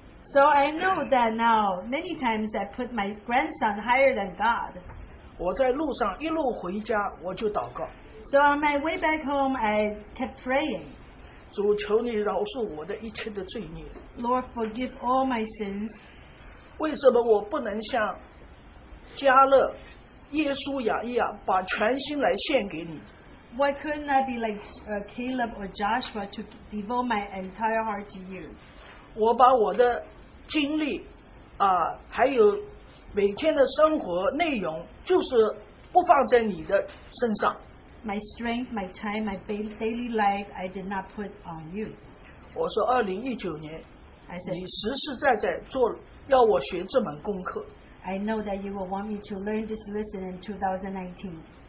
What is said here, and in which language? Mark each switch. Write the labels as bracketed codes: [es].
[en] So I know that now many times I put my grandson higher than God. [zh] 我在路上一路回家我就祷告。 [en] So on my way back home I kept praying. [zh] 主求你饶恕我的一切的罪孽。 [en] Lord forgive all my sins. [zh] 为什么我不能像加勒 耶稣雅一样把全心来献给你。 [en] Why couldn't I be like Caleb or Joshua to devote my entire heart to you? [zh] 我把我的经历还有每天的生活内容就是不放在你的身上。 [en] My strength, my time, my daily life, I did not put on you. [zh] 我说2019年, [en] I said, [zh] 你实实在在做要我学这门功课。 [en] I know that you will want me to learn this lesson in